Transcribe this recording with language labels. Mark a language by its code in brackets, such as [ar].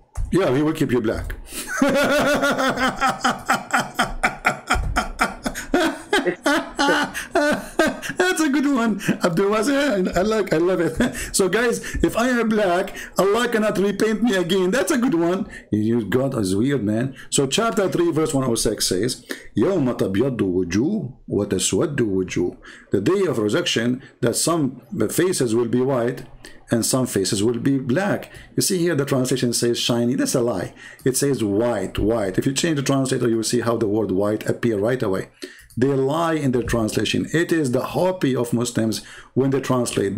[en] Yeah, he will keep you black. That's a good one, Abdul Wasil. I love it. So guys, if I am black, Allah cannot repaint me again. That's a good one. God is weird, man. So chapter 3 verse 106 says, [ar] يَوْمَ تَبْيَضُ وُجُوهُ وَتَسْوَدُ وُجُوهُ. [en] The day of resurrection, that some faces will be white and some faces will be black. You see here the translation says shiny. That's a lie. It says white. If you change the translator, you will see how the word white appear right away. They lie in their translation. It is the hobby of Muslims when they translate.